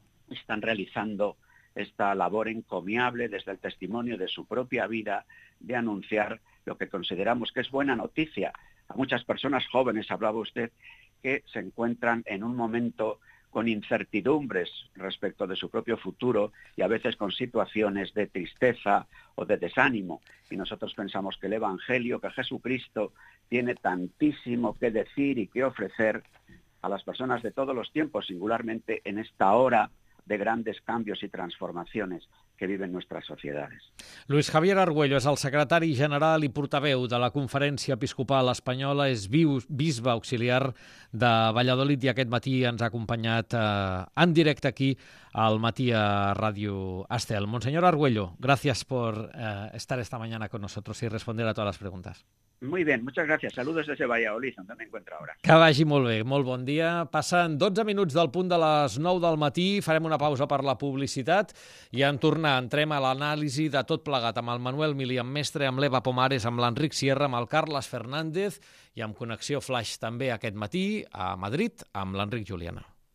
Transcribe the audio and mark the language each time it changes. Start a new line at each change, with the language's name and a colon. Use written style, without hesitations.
Spanish: están realizando esta labor encomiable desde el testimonio de su propia vida de anunciar lo que consideramos que es buena noticia a muchas personas jóvenes, hablaba usted, que se encuentran en un momento con incertidumbres respecto de su propio futuro y a veces con situaciones de tristeza o de desánimo. Y nosotros pensamos que el Evangelio, que Jesucristo tiene tantísimo que decir y que ofrecer a las personas de todos los tiempos, singularmente en esta hora de grandes cambios y transformaciones que viven nuestras sociedades.
Catalan: Luis Javier Argüello és el secretari general i portaveu de la Conferència Episcopal Espanyola, és bisbe auxiliar de Valladolid i aquest matí ens ha acompanyat en directe aquí al matí a Ràdio Estel.
Spanish: Monseñor Argüello,
Catalan: gràcies per estar
Spanish: esta mañana con nosotros y responder a todas las preguntas. Muy bien, muchas gracias. Saludos desde Valladolid, donde me encuentro ahora.
Catalan: Que vagi molt bé, molt bon dia. Passen 12 minuts del punt de les 9 del matí, farem una pausa per la publicitat i en tornar entrem a l'anàlisi de tot plegat amb el Manuel Milí, amb Mestre, amb l'Eva Pomares, amb l'Enric Sierra, amb el Carles Fernández i amb Connexió Flash també aquest matí a Madrid amb l'Enric Juliana.